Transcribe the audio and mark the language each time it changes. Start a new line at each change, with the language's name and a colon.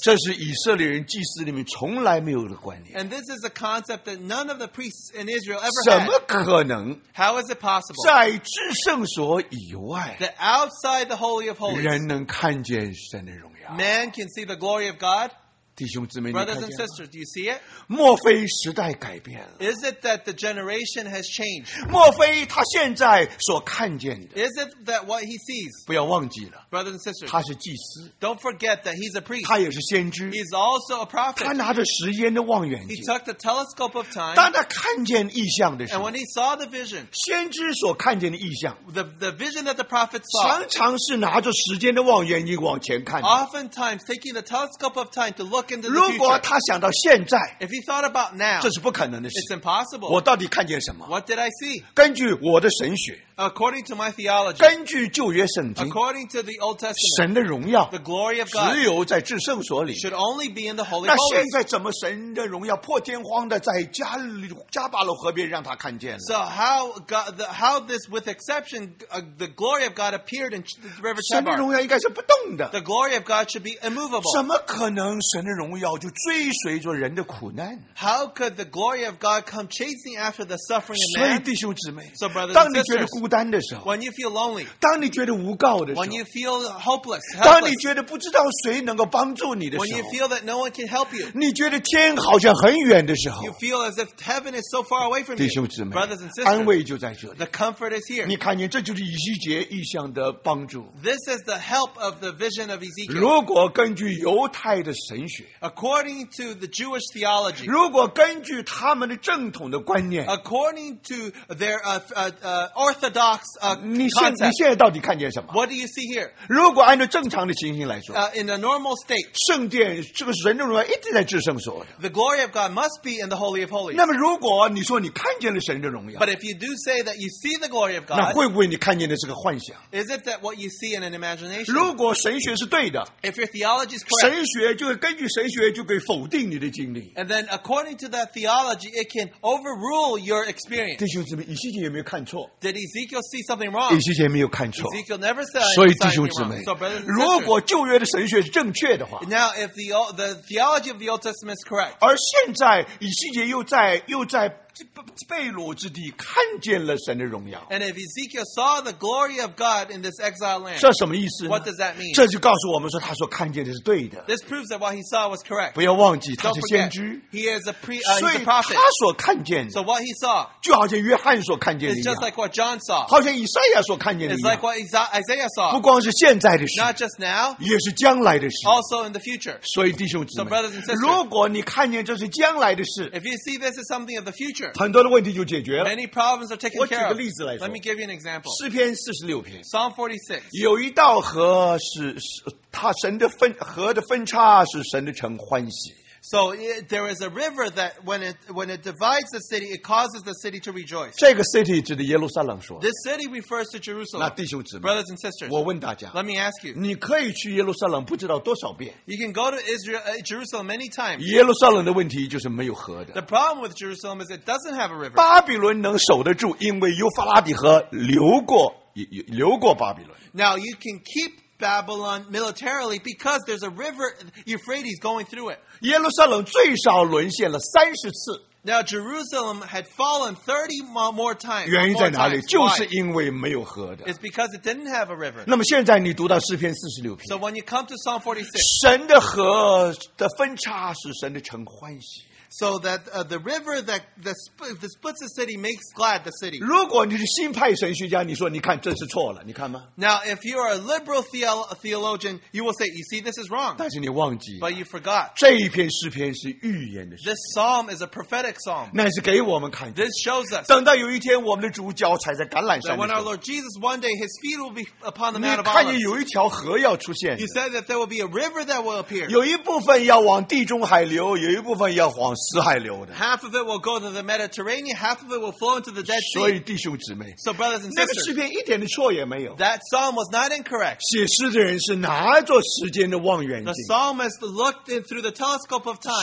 Chinese: 这是以色列人祭司里面从来没有的观念。
English: And this is a concept that none of the priests in Israel ever had.
Chinese: 怎么可能？
English: How is it possible?
Chinese: 在至圣所以外，
English: that outside the Holy of Holies,
Chinese: 人能看见神的荣耀。
English: Man can see the glory of God.
Chinese: 弟兄姊妹，
English: Brothers and sisters, do you see it?
Chinese: 莫非时代改变了？
English: Is it that the generation has changed?
Chinese: 莫非他现在所看见的？
English: Is it that what he sees?
Chinese: 不要忘记了。
English: Brothers and sisters,
Chinese: 他是祭司。
English: Don't forget that he's a priest.
Chinese: 他也是先知。
English: He's also a prophet.
Chinese: 他拿着时间的望远镜。
English: He took the telescope of time.
Chinese: 当他看见异象的时候，
English: and when he saw the vision,
Chinese: 先知所看见的异象，
English: the vision that the prophet saw,
Chinese: 常常是拿着时间的望远镜往前看。
English: Oftentimes taking the telescope of time to look into the
Chinese: future. 如果他想到现在，
English: if he thought about now,
Chinese: 这是不可能的事。
English: It's impossible.
Chinese: 我到底看见什么？
English: What did I see?
Chinese: 根据我的神学，
English: according to my theology,
Chinese: 根据旧约圣经，
English: according to the Old Testament,
Chinese: 神的荣耀，
English: the glory of God,
Chinese: 只有在至圣所里，
English: should only be in the Holy
Chinese: Holies. 那现在怎么神的荣耀破天荒的在加巴勒河边让他看见了？
English: So how this, with exception, the glory of God appeared in the River Chebar.
Chinese: 神的荣耀应该是不动的。
English: The glory of God should be immovable.
Chinese: 怎么可能神的荣耀就追随着人的苦难？
English: How could the glory of God come chasing after the suffering of man?
Chinese: 所以弟兄姊妹，
English: so brothers and sisters,
Chinese: 当你觉得孤单的时候，
English: when you feel lonely,
Chinese: 当你觉得无告的时候，
English: when you feel hopeless,
Chinese: 当你觉得不知道谁能够帮助你的时候，
English: when you feel that no one can help you,
Chinese: 你觉得天好像很远的时候，
English: you feel as if heaven is so far away from you,
Chinese: 弟兄姊妹，
English: brothers and sisters,
Chinese: 安慰就在这里，
English: the comfort is here.
Chinese: 你看见这就是以西结异象的帮助。
English: This is the help of the vision of Ezekiel.
Chinese: 如果根据犹太的神学，
English: According to the Jewish theology,
Chinese: 如果根据他们的正统的观念
English: according to their orthodox
Chinese: concept, 你现在到底看见什么
English: What do you see here?
Chinese: 如果按照正常的情形来说
English: in a normal state,
Chinese: 圣殿这个神荣耀一直在至圣所
English: The glory of God must be in the Holy of Holies.
Chinese: 那么如果你说你看见了神的荣耀
English: But if you do say that you see the glory of God,
Chinese: 那会不会你看见的是个幻想
English: Is it that what you see in an imagination?
Chinese: 如果神学是对的
English: If your theology is correct,
Chinese: 神学就是根据神学就可以否定你的经历
English: And then according to that theology, it can overrule your experience.
Chinese: 弟兄姊妹，以西结有没有看错
English: Did Ezekiel see something wrong?
Chinese: 以西结没有看错
English: Ezekiel never said anything wrong.
Chinese: 所以弟兄姊妹
English: so, brothers and sisters,
Chinese: 如果旧约的神学是正确的话
English: Now, if the theology of the Old Testament is correct,
Chinese: 而现在以西结又在被掳之地看见了神的荣耀
English: And if Ezekiel saw the glory of God in this exile land,
Chinese: 这什么意思呢
English: What does that mean?
Chinese: 这就告诉我们说他说看见的是对的
English: This proves that what he saw was correct.
Chinese: 不要忘记他是先知
English: He is a prophet.
Chinese: 他所看见的
English: So what he saw,
Chinese: 就好像约翰所看见的一样
English: It's just like what John saw.
Chinese: 好像以赛亚所看见的一样
English: It's like what Isaiah saw.
Chinese: 不光是现在的事
English: Not just now,
Chinese: 也是将来的事
English: Also in the future.
Chinese: 所以弟兄姊妹
English: So brothers and sisters,
Chinese: 如果你看见这是将来的事
English: If you see this as something of the future,
Chinese: 很多的问题就解决了
English: Many problems are taken care of.
Chinese: 我举个例子来说
English: Let me give you an example.
Chinese: 诗篇46篇
English: Psalm 46
Chinese: 有一道河是他神的分河的分叉是神的城欢喜
English: So there is a river that when it divides the city it causes the city to rejoice.
Chinese: 这个 city 指的耶路撒冷说
English: This city refers to Jerusalem.
Chinese: 那弟兄姊妹
English: Brothers and sisters
Chinese: 我问大家
English: Let me ask you.
Chinese: 你可以去耶路撒冷不知道多少遍
English: You can go to Israel, Jerusalem many times.
Chinese: 耶路撒冷的问题就是没有河的
English: The problem with Jerusalem is it doesn't have a river.
Chinese: 巴比伦能守得住因为优法拉底河流过巴比伦
English: Now you can keep Babylon militarily because there's a river Euphrates going through it.
Chinese: 耶路撒冷最少沦陷了三十次。
English: Now Jerusalem had fallen 30 more times.
Chinese: 原因在哪里？
English: Why?
Chinese: 就是因为没有河的。
English: It's because it didn't have a river.
Chinese: 那么现在你读到诗篇四十六篇。
English: So when you come to Psalm 46,
Chinese: 神的河的分叉使神的城欢喜。
English: So that the river that the splits the city makes glad the city.
Chinese: 如果你是新派神学家，你说你看这是错了，你看吗
English: ？Now if you are a liberal theologian, you will say, "You see, this is wrong."
Chinese: 但是你忘记
English: ，but you forgot.
Chinese: 这一篇诗篇是预言的诗篇。
English: This psalm is a prophetic psalm.
Chinese: 那是给我们看。
English: This shows us.
Chinese: 等到有一天我们的主脚踩在橄榄上。
English: When our Lord Jesus one day his feet will be upon the Mount of Olives.
Chinese: 你看见有一条河要出现。
English: You said that there will be a river that will appear.
Chinese: 有一部分要往地中海流，有一部分要往。
English: Half of it will go to the Mediterranean, half of it will flow into the Dead Sea.
Chinese: 所以弟兄姊妹
English: So brothers and sisters,
Chinese: 那个诗篇一点的错也没有
English: That psalm was not incorrect.
Chinese: 写诗的人是拿着时间的望远镜
English: The psalmist looked in through the telescope of time.